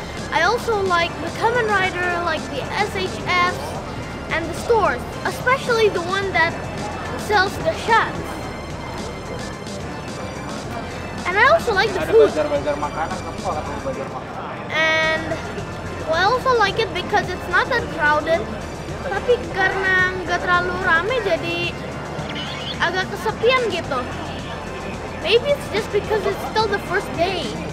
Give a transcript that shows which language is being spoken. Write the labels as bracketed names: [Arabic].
[English] I also like the Kamen Rider, like the SHF, and the stores, especially the one that sells the shots. And I also like the food. And, well, I also like it because it's not that crowded. [Indonesian] Tapi karena nggak terlalu ramai, jadi agak kesepian gitu. [English] Maybe it's just because it's still the first day.